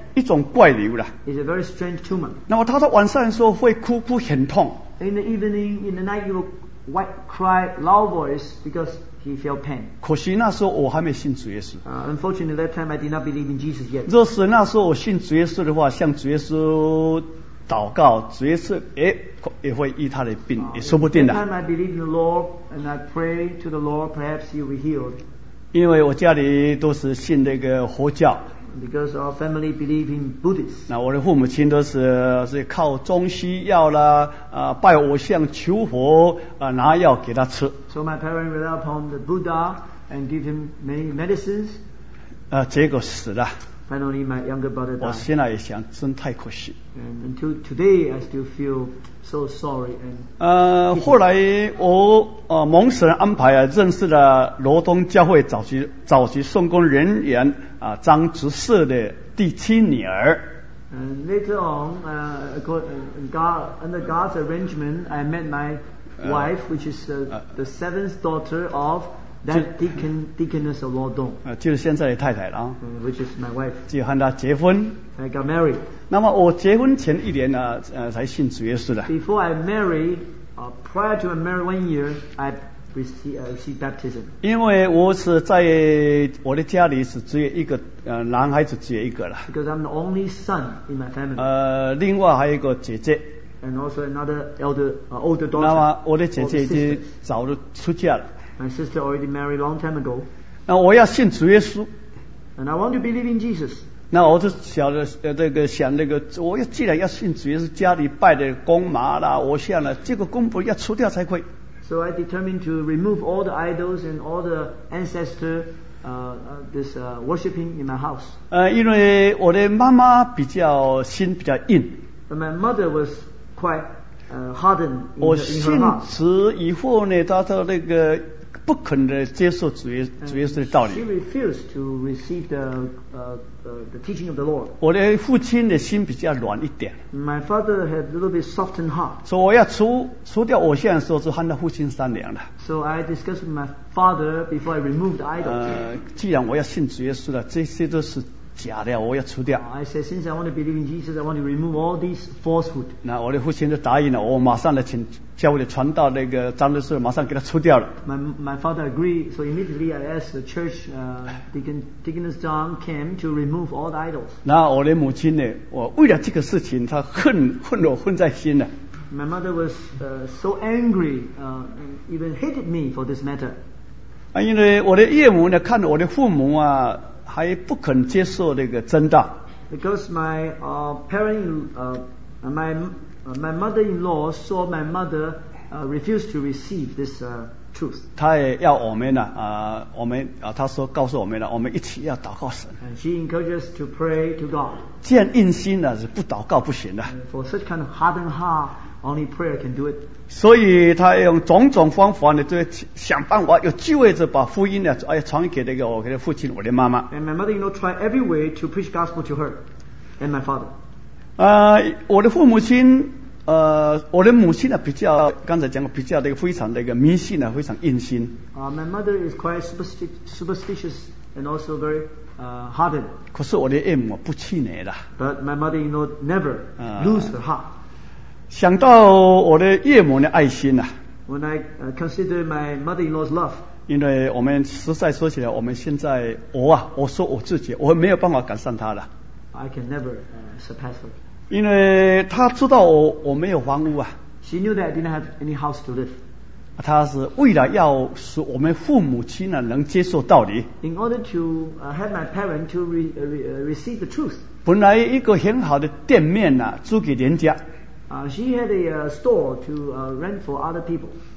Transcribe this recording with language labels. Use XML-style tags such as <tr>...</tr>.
<zh>一种怪瘤啦。</zh> <en>It's a very strange tumor.</en> <zh>那么他在晚上的时候会哭，哭很痛。</zh> <en>In the evening, in the night, he will cry loud voice because he felt pain.</en> <zh>可惜那时候我还没信主耶稣。</zh> <en>Unfortunately, that time I did not believe in Jesus yet.</en> <zh>若是那时候我信主耶稣的话，向主耶稣祷告，主耶稣也会医他的病，也说不定的。</zh> <en>That time I believe in the Lord and I pray to the Lord, perhaps he will be healed.</en> <zh>因为我家里都是信那个佛教。</zh> <en>Because our family believe in Buddhists.</en> <zh>那我的父母亲都是靠中西药啦，拜偶像求佛，拿药给他吃。</zh> <en>So my parents rely upon the Buddha and give him many medicines.</en> <zh>结果死了。</zh> <en>Finally, my younger brother died.</en> <zh>我现在也想，真太可惜。</zh> <en>And until today, I still feel so sorry. And</en> <zh>后来我蒙神安排啊，认识了罗东教会早期圣工人员。张执事的第七女儿。</zh> <en>And later on, under God's arrangement, I met my wife, which is the seventh daughter of that deaconess of Lord Dong.</en> <zh>就是现在的太太了。</zh> <en>Which is my wife.</en> <zh>就和她结婚。</zh> <en>I got married.</en> <zh>那么我结婚前一年呢，才信主耶稣的。</zh> <en>Before I married, prior to my marriage 1 year, I receive baptism.</en> <zh>因为我是在我的家里是只有一个男孩子只有一个了。</zh> <en>Because I'm the only son in my family.</en> <zh>另外还有一个姐姐。</zh> <en>And also another older daughter.</en> <zh>那么我的姐姐已经早就出嫁了。</zh> <en>My sister already married long time ago.</en> <zh>那我要信主耶稣。</zh> <en>And I want to believe in Jesus.</en> <zh>那我就晓得想那个，我要既然要信主耶稣，家里拜的公妈啦，我想了这个公婆要除掉才可以。</zh> <en>So I determined to remove all the idols and all the ancestor worshiping in my house.</en> <zh>因为我的妈妈比较心比较硬。</zh> <en>But my mother was quite hardened in her heart. 我</en> <zh>信主以后呢，她到那个不肯的接受主耶稣的道理。</zh> <en>She refused to receive the teaching of the Lord.</en> <zh>我的父亲的心比较软一点。</zh> <en>My father had a little bit softened heart.</en> <zh>所以我要除掉偶像的时候，就和他父亲商量了。</zh> <en>So I discussed with my father before I removed the idol.</en> <zh>既然我要信主耶稣了，这些都是假的，我要除掉。</zh> <en>I said, since I want to believe in Jesus, I want to remove all these falsehood.</en> <zh>那我的父亲就答应了，我马上来请教会的传道那个张执事，马上给他除掉了。</zh> <en>My father agreed, so immediately I asked the church deaconess John came to remove all the idols.</en> <zh>那我的母亲呢？我为了这个事情，她恨我恨在心了。</zh> <en>My mother was so angry, even hated me for this matter.</en> <zh>因为我的岳母呢，看我的父母啊。还不肯接受那个真道。</zh> <en>Because my mother-in-law saw my mother refused to receive this truth.</en> <zh>他也要我们呢、我们、他说告诉我们了，我们一起要祷告神。</zh> <en>And she encourages to pray to God.</en> <zh>既然硬心了，是不祷告不行的。</zh> <en>For such kind of hardened heart, only prayer can do it.</en> <zh>所以他用种种方法呢，就想办法有机会就把福音呢，哎，传给那个我的父亲，我的妈妈。</zh> <en>And my mother, you know, tried every way to preach gospel to her and my father.</en> <zh>我的父母亲。我的母亲呢，比较刚才讲过，比较的非常的一个迷信呢，非常硬心。</zh> <en>My mother is quite superstitious and also very hardened.</en> <zh>可是我的爱母不气馁的。</zh> <en>But my mother, you know, never lose her heart.</en> <zh>想到我的岳母的爱心呢、</zh> <en>When I consider my mother-in-law's love.</en> <zh>因为我们实在说起来，我们现在我说我自己，我没有办法赶上她的。</zh> <en>I can never surpass her.</en> <zh>因为他知道我没有房屋啊。</zh> <en>She knew that I didn't have any house to live.</en> <zh>他是为了要使我们父母亲呢能接受道理。</zh> <en>In order to have my parents to receive the truth.</en> <zh>本来一个很好的店面呢、租给人家。</zh> <en>She had a store to rent for other people.</en>